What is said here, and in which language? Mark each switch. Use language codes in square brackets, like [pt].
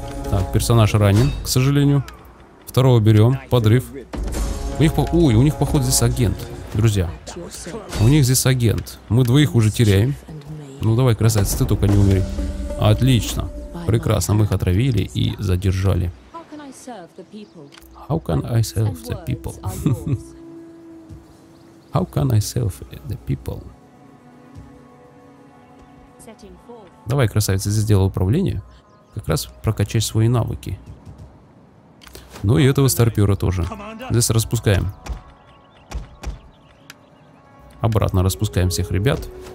[ru] Так, персонаж ранен, к сожалению. Второго берем, подрыв. У них, ой, у них походу здесь агент, друзья. У них здесь агент. Мы двоих уже теряем. Ну давай, красавец, ты только не умри. Отлично, прекрасно, мы их отравили и задержали. [en] How can I serve the people? How can I serve the people? [ru] Давай, красавец, здесь сделай управление. Как раз прокачать свои навыки. Ну и этого старпера тоже. Здесь распускаем. Обратно распускаем всех ребят.